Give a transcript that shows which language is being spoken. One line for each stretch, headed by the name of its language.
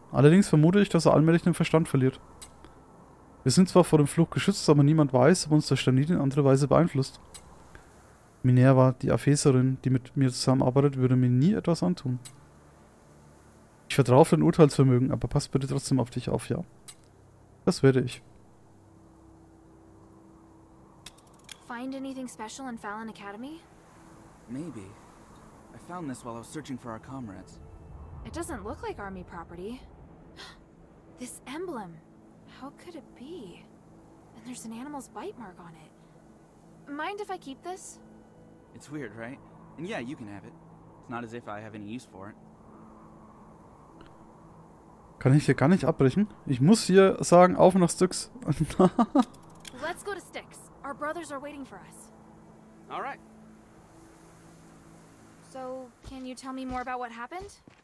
German: Allerdings vermute ich, dass er allmählich den Verstand verliert. Wir sind zwar vor dem Fluch geschützt, aber niemand weiß, ob uns der Sternit in andere Weise beeinflusst. Minerva, die Apheserin, die mit mir zusammenarbeitet, würde mir nie etwas antun. Ich vertraue auf dein Urteilsvermögen, aber pass bitte trotzdem auf dich auf, ja? Das werde ich.
English: Find anything special in Fallon Academy? Maybe. I found this while I was searching for our comrades. It doesn't look like army property. This emblem. How could it be? And there's an animal's bite mark on it. Mind if I keep this? It's weird, right? And yeah, you can have it. It's not as if I have any use for it.
German: Kann ich hier gar nicht abbrechen? Ich muss hier sagen, auf nach Styx.
English: Let's go to Styx. Our brothers are waiting for us. All right. So, can you tell me more about what happened?